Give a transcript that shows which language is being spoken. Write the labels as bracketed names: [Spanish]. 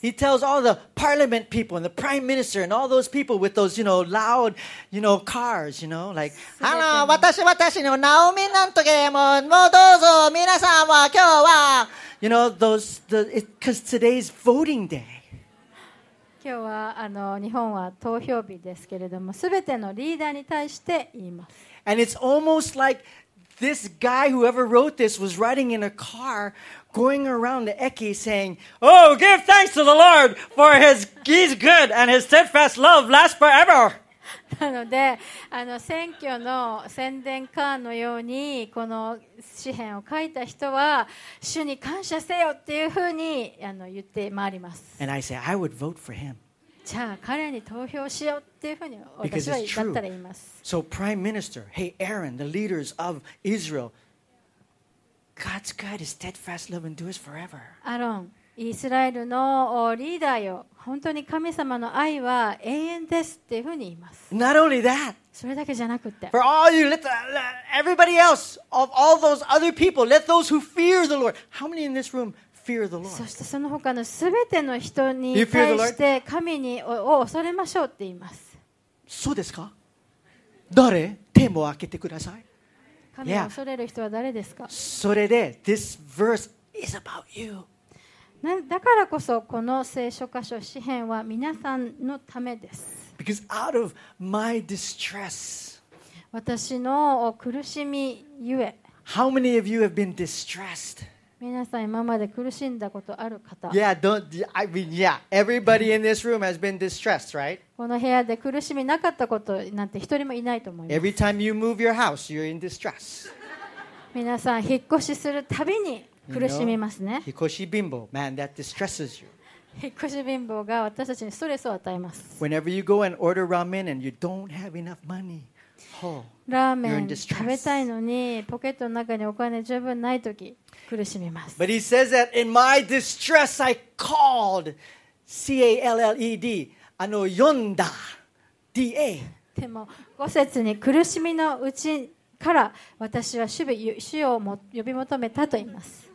[English] He tells all the parliament people and the prime minister and all those people with those, you know, loud, you know, cars, you know, like, [Japanese] Hello, 私のナオミなんとかもうどうぞ皆さんは今日は、 [English] you know, those the because today's voting day. [Japanese] 今日は日本は投票日ですけれども、すべてのリーダーに対して言います。 [English] And it's almost like. This guy, whoever wrote this, was riding in a car, going around the Ekki saying, Oh, give thanks to the Lord, for he's good, and his steadfast love lasts forever. [Japanese] なので、選挙の宣伝カーのように、この詩編を書いた人は、主に感謝せよっていうふうに言って回ります。 [English] And I say, I would vote for him. [Japanese] じゃあ彼に投票しようっていうふうに私はだったら言います。 [English] So Prime Minister, hey Aaron, the leaders of Israel, God's God is steadfast love endures forever. [Japanese] アロン、イスラエルのリーダーよ、本当に神様の愛は永遠ですっていうふうに言います。 [English] Not only that. [Japanese] それだけじゃなくて。 [English] For all you, let everybody else of all those other people, let those who fear the Lord. How many in this room? Fear the Lord. [Japanese] そしてその他のすべての人に対して神にを恐れましょうって言います。そうですか。誰？手も開けてください。神を恐れる人は誰ですか。 [English] それで This verse is about you. [Japanese] だからこそこの聖書箇所詩編は皆さんのためです。 [English] Because out of my distress, [Japanese] 私の苦しみゆえ、 [English] How many of you have been distressed? [Japanese] 皆さん今まで苦しんだことある方、 [English] Yeah, don't, I mean, yeah, everybody in this room has been distressed, right? [Japanese] この部屋で苦しみなかったことなんて一人もいないと思います。 [English] Every time you move your house, you're in distress. [Japanese] 皆さん引っ越しするたびに苦しみますね。 [English] 引っ越し貧乏、man, that distresses you. [Japanese] 引っ越し貧乏が私たちにストレスを与えます。 [English] Whenever you go and order ramen and you don't have enough money, [Japanese] ラーメン食べたいのにポケットの中にお金十分ないとき苦しみます。 [English] But he says that in my distress I called C-A-L-L-E-D [Japanese] あの呼んだ [English] D-A [Japanese] でも五節に苦しみのうちから私は主を呼び求めたと言います。